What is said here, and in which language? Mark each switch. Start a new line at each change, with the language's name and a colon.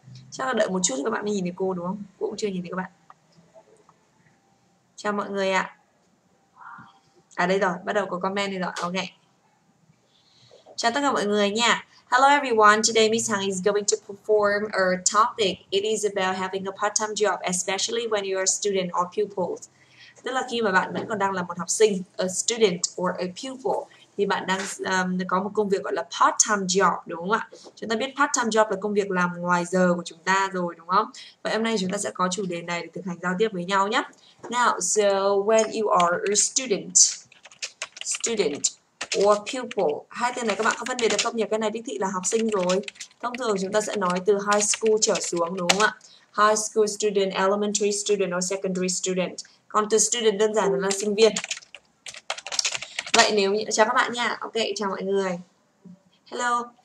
Vietnamese: Chắc là đợi một chút cho các bạn mới nhìn thấy cô đúng không? Cô cũng chưa nhìn thấy các bạn. Chào mọi người ạ. À đây rồi, bắt đầu có comment đây rồi. Ok. Chào tất cả mọi người nha.
English: Hello everyone, today Ms. Hằng is going to perform a topic. It is about having a part-time job, especially when you are a student or pupil.
Vietnamese: Tức là khi mà bạn vẫn còn đang là một học sinh,
English: a student or a pupil,
Vietnamese: thì bạn đang có một công việc gọi là part-time job, đúng không ạ? Chúng ta biết part-time job là công việc làm ngoài giờ của chúng ta rồi, đúng không? Vậy hôm nay chúng ta sẽ có chủ đề này để thực hành giao tiếp với nhau nhé.
English: Now, so when you are a student, or pupil.
Vietnamese: Hai tên này các bạn có phân biệt được không nhỉ? Cái này đích thị là học sinh rồi. Thông thường chúng ta sẽ nói từ high school trở xuống đúng không ạ?
English: High school student, elementary student or secondary student.
Vietnamese: Còn từ student đơn giản là sinh viên. Vậy nếu chào các bạn nha. Ok, chào mọi người. Hello.